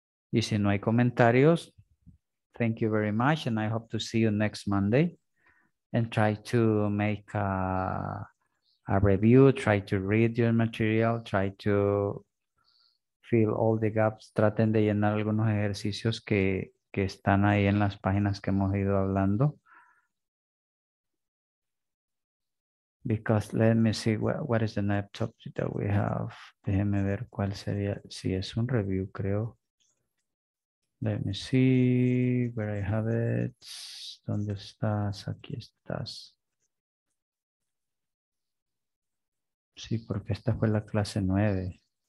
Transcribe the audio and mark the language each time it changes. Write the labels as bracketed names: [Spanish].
[Spanish] Y si no hay comentarios, [English] thank you very much, and I hope to see you next Monday. And try to make a review, try to read your material, try to fill all the gaps. [Spanish] Traten de llenar algunos ejercicios que están ahí en las páginas que hemos ido hablando. [English] Because let me see what is the laptop that we have. [Spanish] Déjeme ver cuál sería, si es un review, creo. [English] Let me see where I have it. [Spanish] ¿Dónde estás? Aquí estás. Sí, porque esta fue la clase 9.